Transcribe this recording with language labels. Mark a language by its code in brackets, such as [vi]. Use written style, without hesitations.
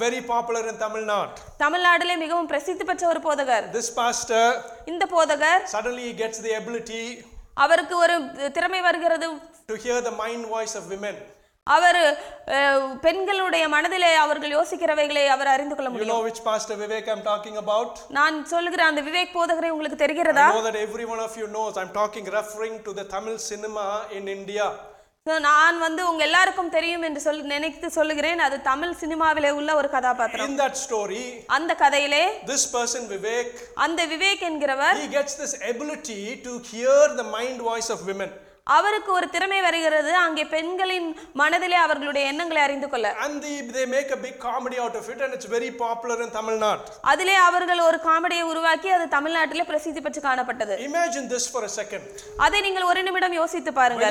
[en] Very popular in Tamil Nadu. [ta] தமிழ்நாட்டிலே மிகவும் பிரசித்தி பெற்ற ஒரு போதகர். [en] This pastor. [ta] இந்த போதகர். [en] Suddenly he gets the ability. [ta] அவருக்கு ஒரு திறமை வருகிறது. [en] To hear the mind voice of women. [ta] அவர் பெண்களுடைய மனதிலே அவர்கள் யோசிக்கிறவைகளை அவர் அறிந்து கொள்ள முடியும். [en] You know which pastor Vivek I'm talking about? [ta] நான் சொல்கிற அந்த விவேக் போதகரை உங்களுக்கு தெரிகிறதா? [en] I know that every one of you knows I'm talking referring to the Tamil cinema in India. [ta] நான் வந்து உங்க எல்லாருக்கும் தெரியும் என்று சொல்லி நினைத்து சொல்லுகிறேன். அது தமிழ் சினிமாவிலே உள்ள ஒரு கதாபாத்திரம். [en] In that story, [ta] அந்த கதையிலே, [en] this person Vivek, [ta] அந்த Vivek என்கிறவர், [en] he gets this ability to hear the mind voice of women. [ta] அவருக்கு ஒரு திறமை வருகிறது அங்கே பெண்களின் மனதிலே அவர்களுடைய எண்ணங்களை அறிந்து கொள்ள. [en] And they make a big comedy out of it and it's very popular in Tamil Nadu. [ta] அதிலே அவர்கள் ஒரு காமெடியை உருவாக்கி அது தமிழ்நாட்டிலே பிரசித்தி பெற்று காணப்பட்டது. [en] Imagine this for a second. [ta] அதை நீங்கள் ஒரு நிமிடம் யோசித்து பாருங்கள்.